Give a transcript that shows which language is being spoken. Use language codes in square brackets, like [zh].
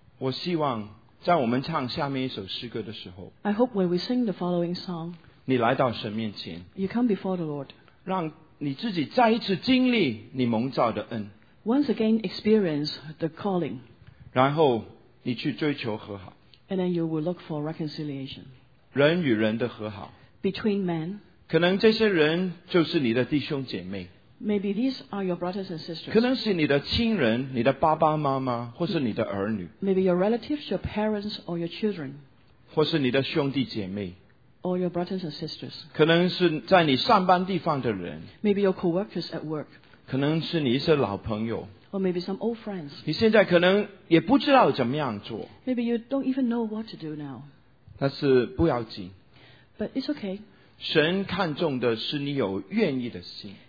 [zh] 我希望在我们唱下面一首诗歌的时候 [en] ，I hope when we sing the following song， [zh] 你来到神面前 [en] ，you come before the Lord， [zh] 让。你自己再一次经历你蒙召的恩 [en] ，Once again experience the calling， [zh] 然后你去追求和好 [en] ，And then you will look for reconciliation， [zh] 人与人的和好 [en] ，Between men， [zh] 可能这些人就是你的弟兄姐妹 [en] ，Maybe these are your brothers and sisters， [zh] 可能是你的亲人，你的爸爸妈妈，或是你的儿女 [en] ，Maybe your relatives, your parents or your children， [zh] 或是你的兄弟姐妹。 [en] Or your brothers and sisters. [zh] 可能是在你上班地方的人。 [en] Maybe your co-workers at work. [zh] 可能是你一些老朋友。 [en] Or maybe some old friends. [zh] 你现在可能也不知道怎么样做。 [en] Maybe you don't even know what to do now. [zh] 但是不要紧。 [en] But it's okay. [zh] 神看重的是你有愿意的心。